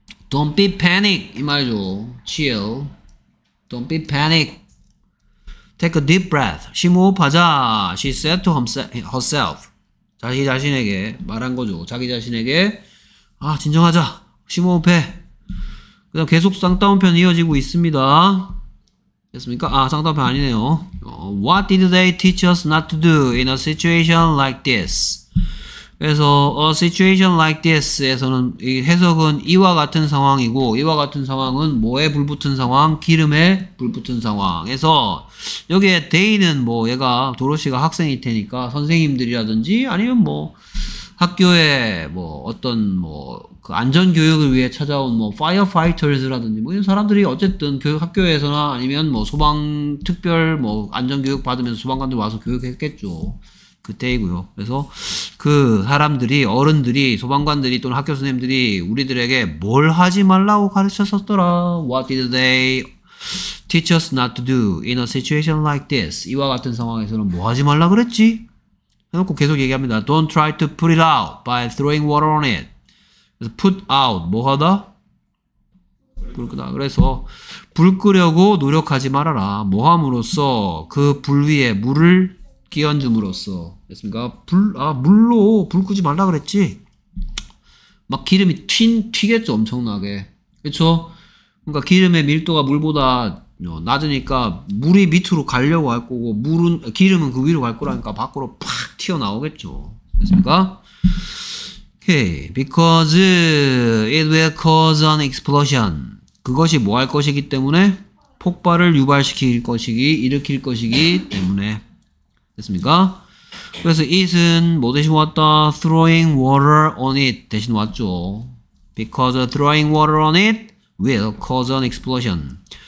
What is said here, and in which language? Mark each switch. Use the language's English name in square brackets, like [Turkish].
[English] Don't be panic [Korean] 이 말이죠. [English] Chill. Don't be panic. Take a deep breath. [Korean] 심호흡하자. [English] She said to herself. [Korean] 자기 자신에게 말한 거죠. 자기 자신에게 아 진정하자. 심호흡해. 그냥 계속 쌍따옴편 이어지고 있습니다. 됐습니까? 아 쌍따옴편 아니네요. [English] What did they teach us not to do in a situation like this? [Korean] 그래서 [English] a situation like this [Korean] 에서는 이 해석은 이와 같은 상황이고 이와 같은 상황은 뭐에 불붙은 상황? 기름에 불붙은 상황에서 여기에 they는 뭐 얘가 도로시가 학생일 테니까 선생님들이라든지 아니면 뭐 학교에 뭐 어떤 뭐 그 안전 교육을 위해 찾아온 뭐 firefighters라든지 뭐 이런 사람들이 어쨌든 교육 학교에서나 아니면 뭐 소방 특별 뭐 안전 교육 받으면서 소방관들 와서 교육했겠죠. 그때이고요. 그래서 그 사람들이 어른들이 소방관들이 또는 학교 선생님들이 우리들에게 뭘 하지 말라고 가르쳤었더라. [English] What did they teach us not to do in a situation like this? [Korean] 이와 같은 상황에서는 뭐 하지 말라 그랬지? 해놓고 계속 얘기합니다. [English] Don't try to put it out by throwing water on it. Put out [Korean] 뭐하다? 불 끄다. 그래서 불 끄려고 노력하지 말아라. 뭐함으로써 그 불 위에 물을 끼얹음으로써 됐습니까? 불, 아, 물로 불 끄지 말라 그랬지. 막 기름이 튀겠죠 엄청나게. 그렇죠? 그러니까 기름의 밀도가 물보다 낮으니까 물이 밑으로 가려고 할 거고 물은 기름은 그 위로 갈 거라니까 밖으로 팍 튀어나오겠죠. 됐습니까? [English] Okay. Because it will cause an explosion. [Korean] 그것이 뭐 할 것이기 때문에 폭발을 유발시킬 것이기 일으킬 것이기 때문에 됐습니까? 그래서 it은 뭐 대신 왔다? [English] throwing water on it [Korean] 대신 왔죠. [English] Because throwing water on it will cause an explosion.